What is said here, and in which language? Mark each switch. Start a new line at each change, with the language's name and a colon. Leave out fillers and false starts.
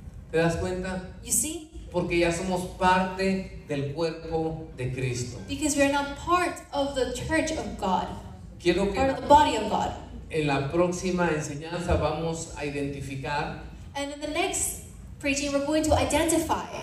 Spanish: ¿Te das cuenta?
English: You see?
Spanish: Porque ya somos parte del cuerpo de Cristo.
English: Because we are now part of the church of God.
Spanish: Quiero
English: part
Spanish: que
English: of the body of God.
Spanish: En la próxima enseñanza vamos a identificar.
English: And in the next preaching, we're going to identify